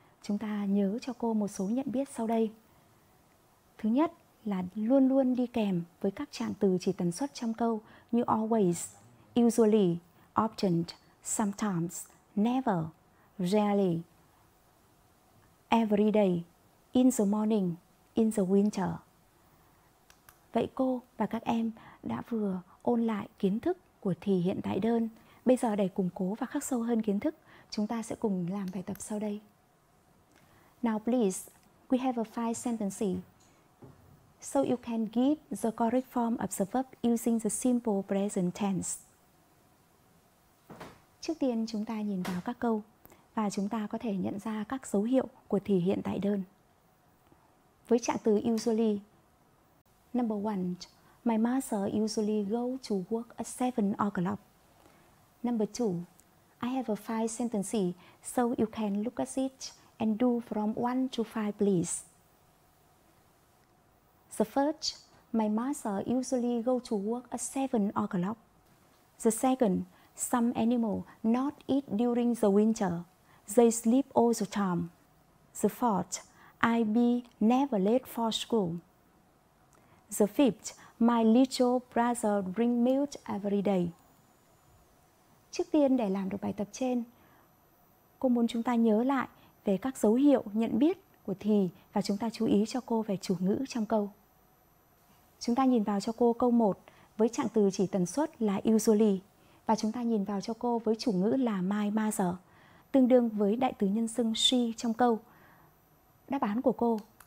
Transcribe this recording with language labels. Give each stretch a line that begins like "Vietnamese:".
Vietnamese: Chúng ta nhớ cho cô một số nhận biết sau đây. Thứ nhất là luôn luôn đi kèm với các trạng từ chỉ tần suất trong câu như always, usually, often, sometimes, never, rarely, every day, in the morning, in the winter. Vậy cô và các em đã vừa ôn lại kiến thức của thì hiện tại đơn. Bây giờ để củng cố và khắc sâu hơn kiến thức, chúng ta sẽ cùng làm bài tập sau đây.
English: Now please, we have a 5 sentence. So you can give the correct form of the verb using the simple present tense.
Vietnamese: Trước tiên chúng ta nhìn vào các câu và chúng ta có thể nhận ra các dấu hiệu của thì hiện tại đơn. Với trạng từ
English: usually, number one, my mother usually go to work at 7 o'clock. Number two, I have a 5 sentence, so you can look at it and do from 1 to 5, please. The first, my mother usually go to work at 7 o'clock. The second, some animal not eat during the winter. They sleep all the time. The fourth, I be never late for school. The fifth, my little brother bring milk every day.
Vietnamese: Trước tiên để làm được bài tập trên, cô muốn chúng ta nhớ lại về các dấu hiệu nhận biết của thì và chúng ta chú ý cho cô về chủ ngữ trong câu. Chúng ta nhìn vào cho cô câu 1 với trạng từ chỉ tần suất là usually và chúng ta nhìn vào cho cô với chủ ngữ là my mother, tương đương với đại từ nhân xưng she trong câu. Đáp án của cô.